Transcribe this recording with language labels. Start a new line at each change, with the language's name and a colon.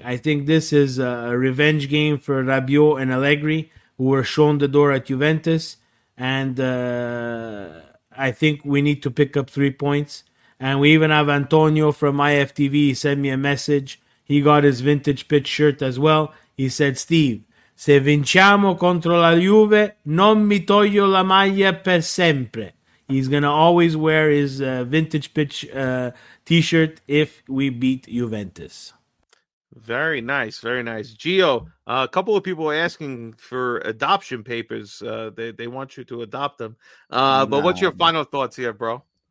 English: I think this is a revenge game for Rabiot and Allegri, who were shown the door at Juventus. And I think we need to pick up 3 points. And we even have Antonio from IFTV. He sent me a message. He got his Vintage Pitch shirt as well. He said,
Italian: Steve, se vinciamo contro la Juve, non mi toglio la maglia per sempre.
English: He's going to always wear his Vintage Pitch T-shirt if we beat Juventus. Very nice, very nice. Gio, a couple of people are asking for adoption papers. They want you to adopt them. But what's your final thoughts here, bro?